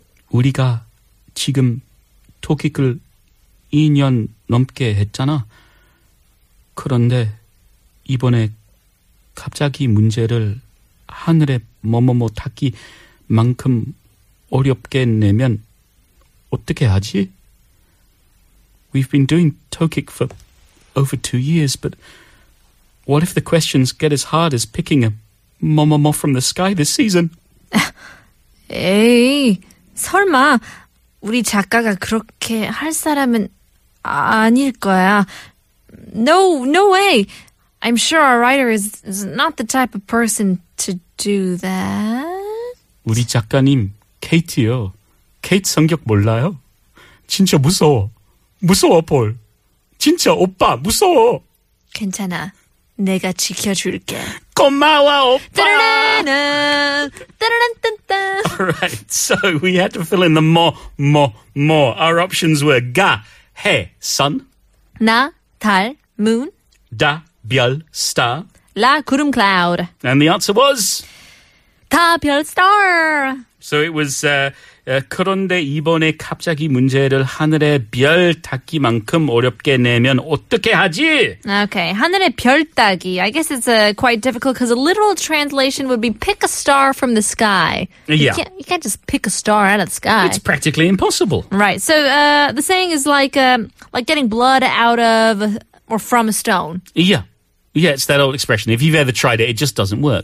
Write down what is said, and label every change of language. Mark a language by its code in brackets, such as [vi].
[ko] 우리가 지금 토킥을 2년 넘게 했잖아. 그런데 이번에 갑자기 문제를 하늘에 뭐뭐뭐 닿기만큼 어렵게 내면 어떻게 하지? [en] We've been doing Tokic for over 2 years, but what if the questions get as hard as picking a mo-mo-mo from the sky this season? [ko] 에이, 설마 우리 작가가 그렇게 할 사람은 아닐 거야. [en] No, no way. I'm sure our writer is not the type of person to do that. [ko] 우리 작가님, 케이트요. 케이트 성격 몰라요? 진짜 무서워. 무서워, 폴. 진짜 오빠 무서워. 괜찮아. 내가 지켜줄게. 고마워, 오빠. [en] All right. So we had to fill in the mo. Our options were ga, he, sun. [ko] Na, 달, moon. Da, 별, star. La, 구름, cloud. [en] And the answer was? [ko] 다, 별, star. [en] So it was... [ko] 그런데 이번에 갑자기 문제를 하늘의 별 따기만큼 어렵게 내면 어떻게 하지? Okay, 하늘의 별 따기. [en] I guess it's quite difficult because a literal translation would be pick a star from the sky. You can't just pick a star out of the sky. It's practically impossible. Right, so the saying is like getting blood out of or from a stone. Yeah. Yeah, it's that old expression. If you've ever tried it, it just doesn't work.